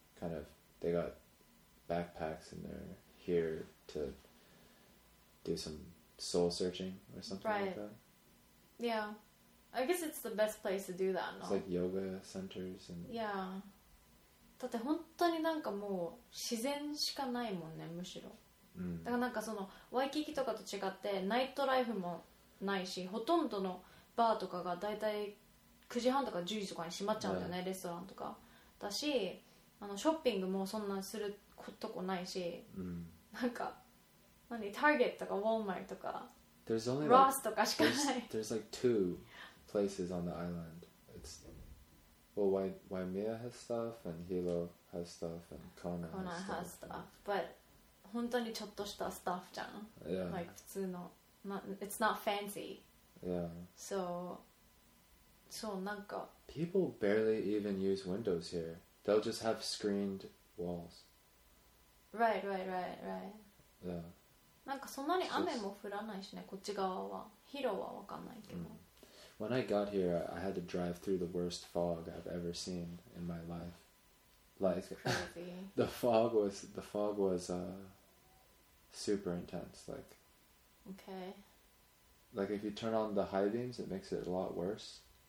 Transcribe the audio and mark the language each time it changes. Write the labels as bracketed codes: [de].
[en] Kind of, they got backpacks and they're here to do some soul searching or something like that. Yeah. I guess it's the best place to do that, no? It's like yoga centers and... Yeah. [ja] だって本当になんかもう自然しかないもんね、むしろ。だからなんかそのワイキキとかと違ってナイトライフもないし、ほとんどのバーとかがだいたい9時半とか10時とかに閉まっちゃうんだよね、レストランとか。だし、ショッピングもそんなするとこないし、なんか、何、ターゲットとかウォーマーとか、 [en] There's only [ja] ロースとかしかない。 [en] There's like two... places on the island. It's Well, Waimea has stuff, and Hilo has stuff, and Kona has stuff. But, [ja] 本当にちょっとした [en] stuff [ja] じゃん。 [en] Yeah. Like, [ja] 普通の。 [en] It's not fancy. Yeah. So, [ja] そう、なんか。 [en] People barely even use windows here. They'll just have screened walls. Right, right, right, right. Yeah. [ja] なんかそんなに雨も降らないしね、こっち側は。 Hilo はわかんないけど。Mm. [en] When I got here, I had to drive through the worst fog I've ever seen in my life. Like, the fog was super intense. Like, okay. Like, if you turn on the high beams, it makes it a lot worse.